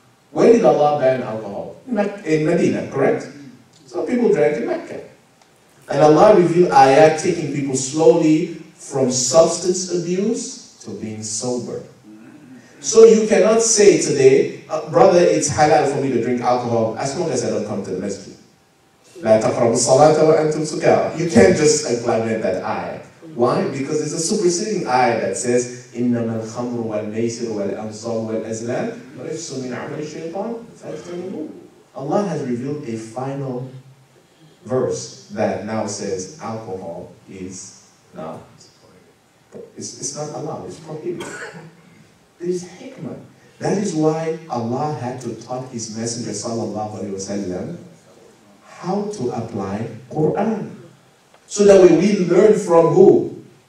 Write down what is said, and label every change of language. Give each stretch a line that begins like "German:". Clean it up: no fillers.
English: When did Allah ban alcohol? In Medina, correct? Some people drank in Mecca. And Allah revealed ayat taking people slowly from substance abuse to being sober. So you cannot say today, brother, it's halal for me to drink alcohol as long as I don't come to the masjid.
Arabic: لا تقربوا الصلاة وأنتم سكارى.
English: You can't just implement that ayah. Why? Because it's a superseding ayah that says
Arabic: إنما الخمر والميسر والأنصار والأزلام رجس من عمل الشيطان فاجتنبوه.
English: Allah has revealed a final verse that now says alcohol is not. It's not allowed. It's prohibited. This hikmah. That is why Allah had to taught His Messenger sallallahu alaihi wasallam how to apply Quran, so that way we learn from who?